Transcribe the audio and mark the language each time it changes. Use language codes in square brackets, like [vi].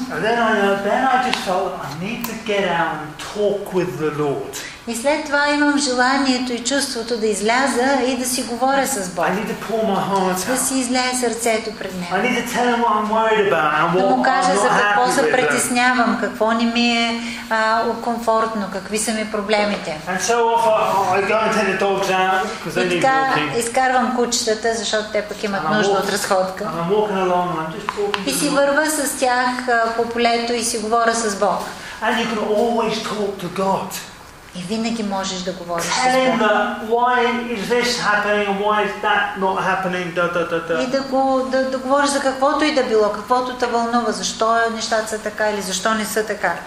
[en] Then I just felt I need to get out and talk with the Lord. [bg] И след това имам желанието и чувството да изляза и да си говоря с Бог. [en] I need to pour my heart out. [bg] Да си изляя сърцето пред Него. [en] I need to tell Him what I'm worried about and what [bg] да му кажа [en] I'm [bg] за какво се притеснявам, какво не ми е комфортно, какви са ми проблемите. [en] And so often I go and take the dogs out because they need walking. [bg] И така изкарвам кучетата, защото те пък имат нужда от разходка. [en] And I'm walking along and I'm just talking. [bg] И си вървя с тях по полето и си говоря с Бог. [en] And you can always talk to God. [bg] И винаги можеш да говориш с Бог. [en] Why is this happening and why is that not happening? [bg] И да говориш за каквото и да било, каквото те вълнува, защо нещата са така или защо не са така.